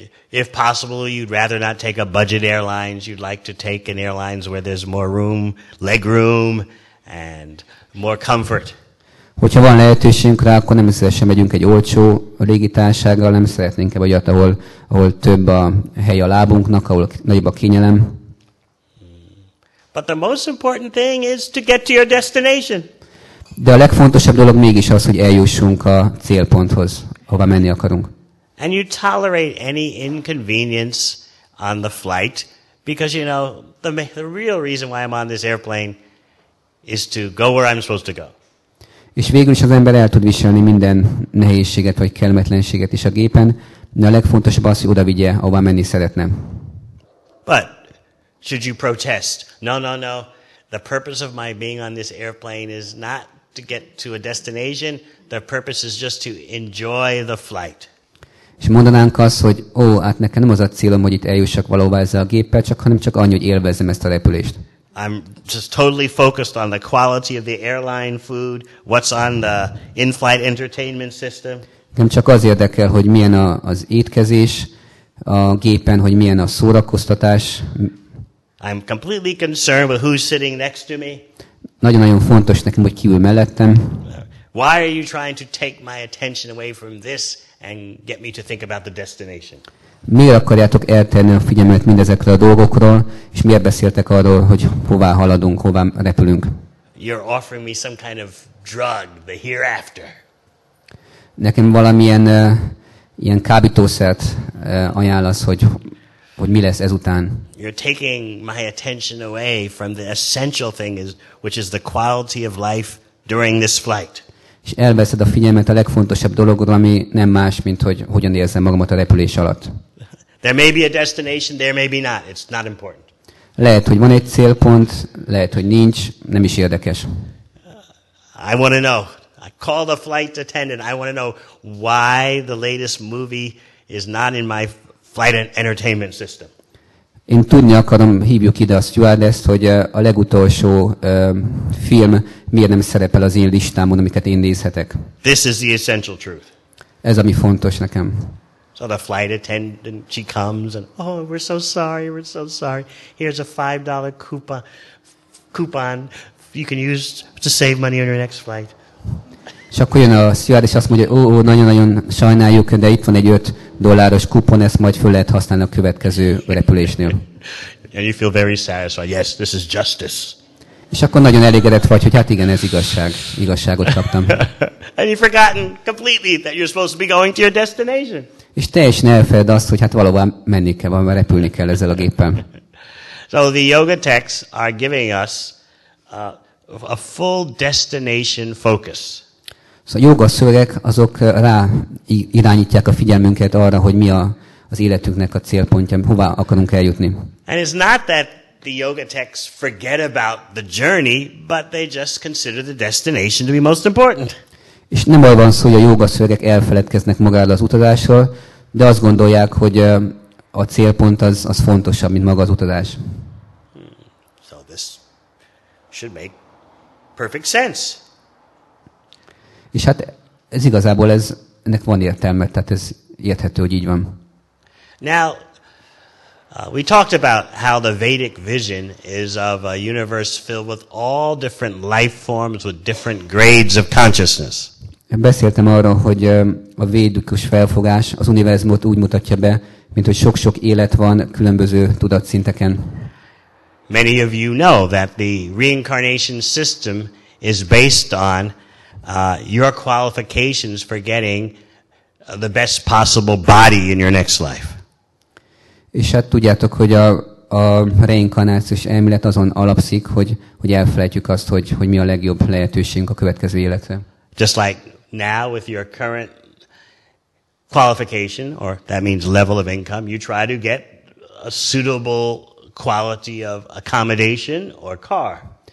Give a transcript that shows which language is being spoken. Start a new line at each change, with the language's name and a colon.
English: If possible, you'd rather not take a budget airlines, you'd like to take an airlines where there's more room, leg room, and more comfort.
Hungarian: Hogyha van lehetőségünk rá, akkor nem szívesen megyünk egy olcsó légitársággal, nem szeretnénk egy olyat, ahol több a hely a lábunknak, ahol nagyobb a kényelem.
English: But the most important thing is to get to your destination.
Hungarian: De a legfontosabb dolog mégis az, hogy eljussunk a célponthoz, hova menni akarunk.
English: And you tolerate any inconvenience on the flight because you know the real reason why I'm on this airplane is to go where I'm supposed to go.
Hungarian: És végül is az ember el tud viselni minden nehézséget vagy kellemetlenséget is a gépen, de a legfontosabb az, hogy oda vigye, ahová menni szeretne.
English: But should you protest? No. The purpose of my being on this airplane is not to get to a destination. The purpose is just to enjoy the flight.
Hungarian: És mondanánk azt, hogy hát nekem nem az a célom, hogy itt eljussak valóban ezzel a géppel, hanem csak annyi, hogy élvezzem ezt a repülést.
English: I'm just totally focused on the quality of the airline food, what's on the in-flight entertainment system.
Hungarian: Nem csak az érdekel, hogy milyen az étkezés a gépen, hogy milyen a szórakoztatás.
English: I'm completely concerned with who's sitting next to me.
Hungarian: Nagyon-nagyon fontos nekem, hogy ki ül mellettem.
English: Why are you trying to take my attention away from this and get me to think about the destination?
Hungarian: Miért akarjátok eltenni a figyelmet mindezekről a dolgokról, és miért beszéltek arról, hogy hová haladunk, hová repülünk?
English: You're offering me some kind of drug, the hereafter.
Hungarian: Nekem valamilyen ilyen kábítószert ajánlasz, hogy mi lesz ezután.
English: You're taking my attention away from the essential thing, which is the quality of life during this flight.
Hungarian: És elveszed a figyelmet a legfontosabb dologról, ami nem más, mint hogy hogyan érzem magamat a repülés alatt.
English: There may be a destination, there may be not. It's not important.
Hungarian: Lehet, hogy van egy célpont, lehet, hogy nincs, nem is érdekes.
English: I want to know. I call the flight attendant. I want to know why the latest movie is not in my flight entertainment system.
Hungarian: Én tudni akarom, hívjuk ide a stewardesst, hogy a legutolsó film miért nem szerepel az én listámon, amiket én nézhetek.
English: This is the essential truth.
Hungarian: Ez ami fontos nekem.
English: So the flight attendant, she comes and, oh, we're so sorry, we're so sorry. Here's a $5 coupon you can use to save money on your next flight.
Hungarian: És akkor jön a stewardess, és azt mondja, ó, nagyon-nagyon sajnáljuk, de itt van egy $5 kupon, ezt majd föl lehet használni a következő repülésnél.
English: And you feel very satisfied. Yes, this is justice.
Hungarian: És akkor nagyon elégedett vagy, hogy hát igen, ez igazság. Igazságot kaptam.
English: And you've forgotten completely that you're supposed to be going to your destination.
Hungarian: És teljesen elfeled azt, hogy hát valóban menni kell, valóban repülni kell ezzel a géppel.
English: So the yoga texts are giving us a full destination focus.
Hungarian: Szóval a jóga szövegek azok rá irányítják a figyelmünket arra, hogy mi az életünknek a célpontja, hová akarunk eljutni.
English: And it's not that the yoga texts forget about the journey, but they just consider the destination to be most important.
Hungarian: És nem arról van szó, hogy a jóga szövegek elfeledkeznek magáról az utazásról, de azt gondolják, hogy a célpont az fontosabb, mint maga az utazás.
English: So this should make perfect sense.
Hungarian: És hát ez igazából ennek van értelme, tehát ez érthető, hogy így van.
English: Now, we talked about how the Vedic vision is of a universe filled with all different life forms with different grades of consciousness.
Hungarian: Beszéltem arról, hogy a védikus felfogás az univerzumot úgy mutatja be, mint hogy sok-sok élet van különböző tudatszinteken.
English: Many of you know that the reincarnation system is based on your qualifications for getting the best possible body in your next life.
Hungarian: És hát tudjátok, hogy a reinkarnációs elmélet azon alapszik, hogy elfelejtjük azt, hogy mi a legjobb lehetőségünk a következő életre.
English: Just like now with your current qualification, or that means level of income, you try to get a suitable quality of accommodation or car.